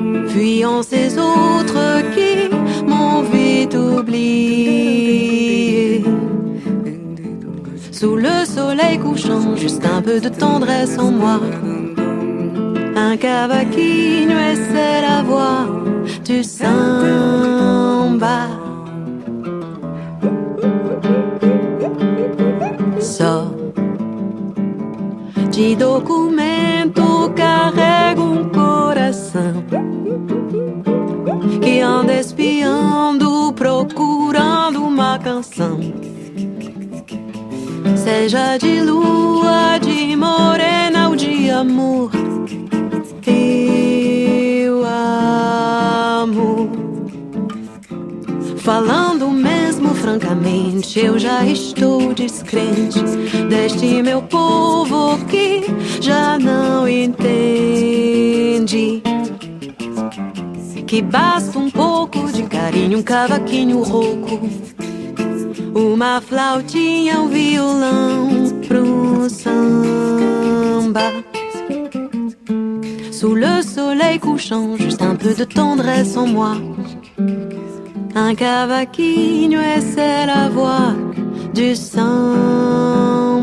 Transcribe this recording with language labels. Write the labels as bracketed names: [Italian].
[French] Fuyant ces autres qui m'ont vite oublié. Sous le soleil couchant, juste un peu de tendresse en moi. Un cavaquinho essaie la voix du samba. [Portuguese] So, di documento carrego un coração. Que anda espiando, procurando uma canção. Seja de lua, de morena ou de amor. Eu amo. Falando mesmo francamente, eu já estou descrente deste meu povo que já não entende. Que basta um pouco de carinho, um cavaquinho rouco, uma flautinha, um violão pro samba. [French] Sous le soleil couchant, juste un peu de tendresse en moi. Un cavaquinho, et c'est la voix du samba.